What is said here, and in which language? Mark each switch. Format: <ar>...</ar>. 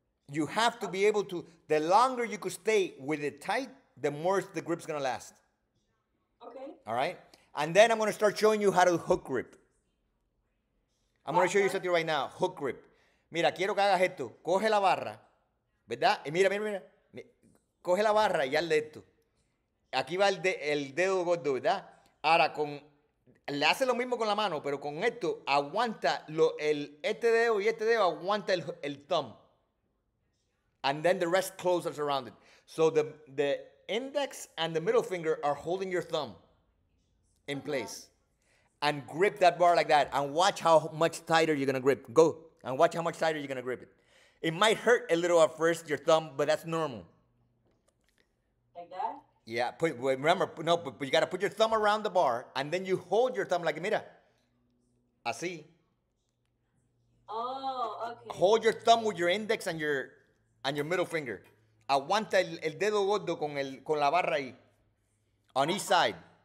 <en>You have to be able to, the longer you could stay with it tight, the more the grip's going to last. Okay. All right? And then I'm going to start showing you how to hook grip. I'm going to show you something right now, hook grip.</en> <es>Mira, quiero que hagas esto. Coge la barra, ¿verdad? Y mira, mira, mira. Coge la barra y hazle esto. Aquí va el dedo gordo, ¿verdad? Ahora le hace lo mismo con la mano, pero con esto aguanta este dedo y este dedo aguanta el thumb.</es> <en>And then the rest closes around it. So the index and the middle finger are holding your thumb in place. And grip that bar like that. And watch how much tighter you're gonna grip. Go. And watch how much tighter you're gonna grip it. It might hurt a little at first, your thumb, but that's normal. Like that? Yeah, remember, no, but you gotta put your thumb around the bar and then you hold your thumb like,</en> <es>mira, así.</es> <en>Oh, okay. Hold your thumb with your index and your middle finger.</en> <es>Aguanta el dedo gordo con la barra ahí,</es> <en>on each side.</en>